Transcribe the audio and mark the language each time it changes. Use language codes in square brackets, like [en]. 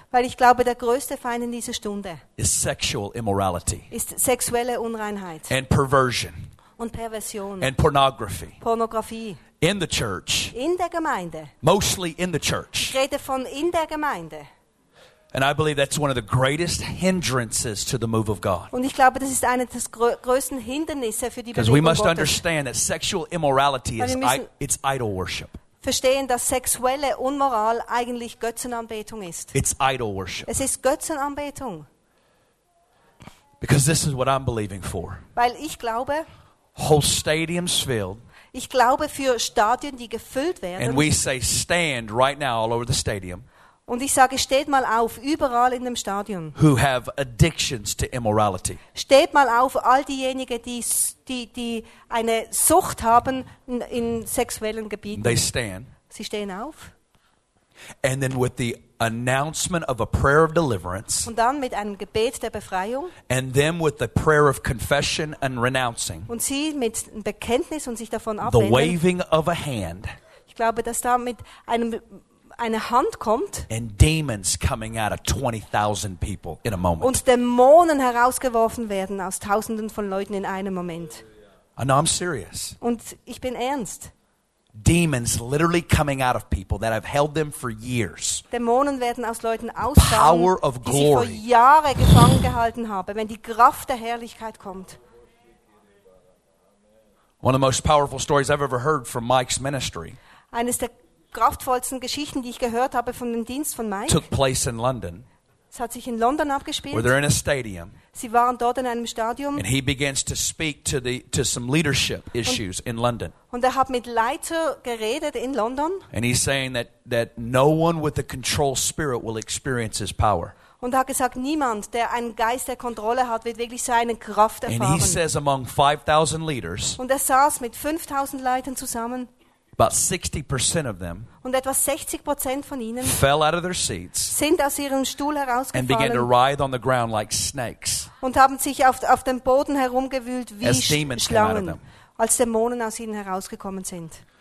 [de] Weil ich glaube, der größte Feind in dieser Stunde. [en] Is sexual immorality. [de] Ist sexuelle Unreinheit. [en] And perversion. [de] Und Perversion. [en] And pornography. [de] Pornografie. [en] In the church. [de] In der Gemeinde. [en] Mostly in the church. [de] Ich rede von in der Gemeinde. [en] And I believe that's one of the greatest hindrances to the move of God. [de] Und ich glaube, das ist eine der größten Hindernisse für die Bewegung. [en] Because we must [de] Gottes. [en] Understand that sexual immorality is it's idol worship. [de] Verstehen, dass sexuelle Unmoral eigentlich Götzenanbetung ist. [en] It's idol worship. [de] Es ist Götzenanbetung. [en] Because this is what I'm believing for. [de] Weil ich glaube, [en] whole stadiums filled. [de] Ich glaube für Stadien, die gefüllt werden. [en] And we say, stand right now all over the stadium. [de] Und ich sage, steht mal auf, überall in dem Stadion. [en] Who have addictions to immorality. [de] Steht mal auf, all diejenigen, die eine Sucht haben in sexuellen Gebieten. [en] They stand. [de] Sie stehen auf. [en] And then with the announcement of a prayer of deliverance. [de] Und dann mit einem Gebet der Befreiung. [en] And then with the prayer of confession and renouncing. [de] Und sie mit einem Bekenntnis und sich davon abwenden. [en] The waving of a hand. [de] Ich glaube, dass da mit einem eine Hand kommt. [en] And demons coming out of 20,000 people in a moment. [de] Und Dämonen herausgeworfen werden aus Tausenden von Leuten in einem Moment. [en] And I'm serious. [de] Und ich bin ernst. [en] Demons literally coming out of people that have held them for years. [de] Dämonen werden aus Leuten ausgehen, die sie vor Jahre gefangen gehalten haben, wenn die Kraft der Herrlichkeit kommt. [en] One of the most powerful stories I've ever heard from Mike's ministry. [de] Eines der kraftvollsten Geschichten, die ich gehört habe von dem Dienst von Mike. [en] Took place in London. [de] Es hat sich in London abgespielt. [en] Where they're in a stadium. [de] Sie waren dort in einem Stadium. [en] And he begins to speak to the to some leadership issues in London. [de] Und hat mit Leiter geredet in London. [en] And he's saying that no one with a control spirit will experience his power. [de] Und hat gesagt, niemand, der einen Geist der Kontrolle hat, wird wirklich seine Kraft erfahren. [en] And he says among 5,000 leaders. [de] Und saß mit 5,000 Leitern zusammen. [en] About 60% of them [de] und etwa 60% von ihnen [en] fell out of their seats [de] sind aus ihrem Stuhl herausgefallen [en] and began to writhe on the ground like snakes [de] und haben sich auf dem Boden herumgewühlt wie Schlangen, als Dämonen aus ihnen herausgekommen sind.